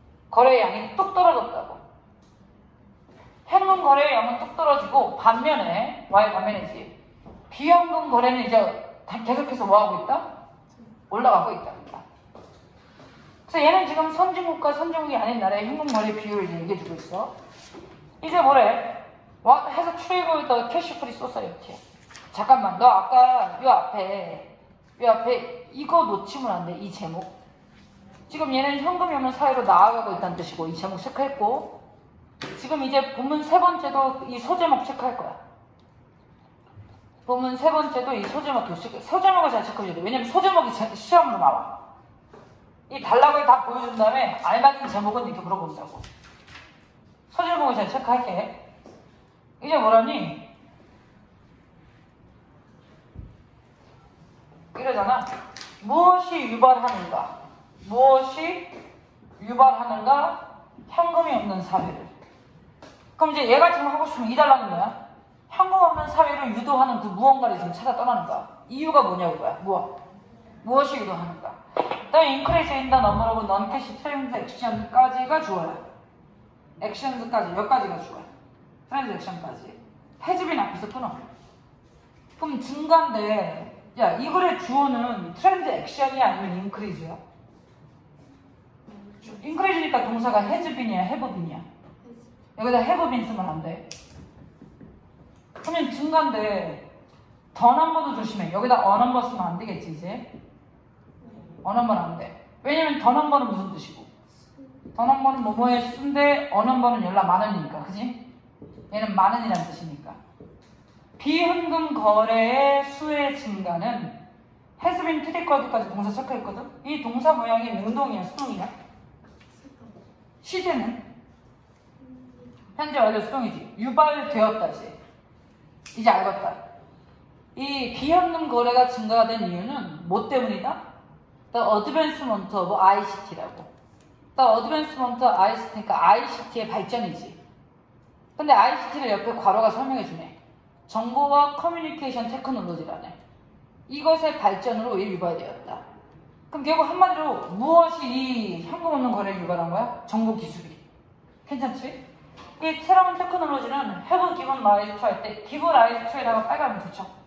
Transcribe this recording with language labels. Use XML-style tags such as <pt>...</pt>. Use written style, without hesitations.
<ko>거래의 양이 뚝 떨어졌다고. 현금 거래의 양은 뚝 떨어지고 반면에 와의 반면이지. 비현금 거래는 이제 계속해서 뭐하고 있다? 올라가고 있다. 그래서 얘는 지금 선진국과 선진국이 아닌 나라의 현금 거래 비율을 얘기해주고 있어. 이제 뭐래?</ko> <en>What has triggered the cash free society?</en> <ko>잠깐만 너 아까 요 앞에 이거 놓치면 안 돼. 이 제목. 지금 얘는 현금이 없는 사회로 나아가고 있다는 뜻이고 이 제목 체크했고 지금 지금 이제 본문 세 번째도 이 소제목 체크할 거야. 본문 세 번째도 이 소제목 교수 소제목을 잘 체크해야 돼. 왜냐면 소제목이 시험으로 나와. 이 단락을 다 보여준 다음에 알맞은 제목은 이렇게 물어본다고. 소제목을 잘 체크할게. 이제 뭐라니? 이러잖아. 무엇이 유발하는가? 무엇이 유발하는가? 현금이 없는 사회를. 그럼 이제 얘가 지금 하고 싶으면 이 달라는 거야. 현금 없는 사회를 유도하는 그 무언가를 지금 찾아 떠나는 거야. 이유가 뭐냐고 거야. 무엇? 무엇이 유도하는가? 그다음</ko> <en>increase in the number of non-cash transaction</en> <ko>까지가 좋아요. actions까지, 여기까지가 좋아요. transaction까지. 폐지빈 앞에서 끊어. 그럼 증가인데, 야, 이 글의 주어는 transaction이 아니면 increase야? increase니까 동사가 해즈빈이야, 해브빈이야. 여기다 해브빈 쓰면 안 돼. 그러면 증가인데, 더 넘버도 조심해. 여기다 어 넘버 쓰면 안 되겠지, 이제? 어 넘버는 안 돼. 왜냐면 더 넘버는 무슨 뜻이고? 더 넘버는 뭐뭐의 수인데, 어 넘버는 열라 많으니까, 그지? 얘는 많은이란 뜻이니까. 비현금 거래의 수의 증가는</ko> <en>has been treated</en> <ko>까지 동사 체크했거든? 이 동사 모양이 능동이야, 수동이야? 시제는? 현재 완료 수동이지. 유발되었다지. 이제 알겠다. 이 비현금 거래가 증가가 된 이유는 뭐 때문이다?</ko> <en>The advancement of ICT라고. The advancement of ICT,</en> <ko>그러니까 ICT의 발전이지. 근데 ICT를 옆에 괄호가 설명해 주네. 정보와 커뮤니케이션 테크놀로지라네. 이것의 발전으로 이 유발되었다. 그럼 결국 한마디로 무엇이 이 현금 없는 거래를 유발한 거야? 정보 기술이. 괜찮지? 이 새로운 테크놀로지는</ko> <en>have given rise to</en> <ko>할 때</ko> <en>give rise to</en> <ko>에다가 빨간색 좋죠?</ko>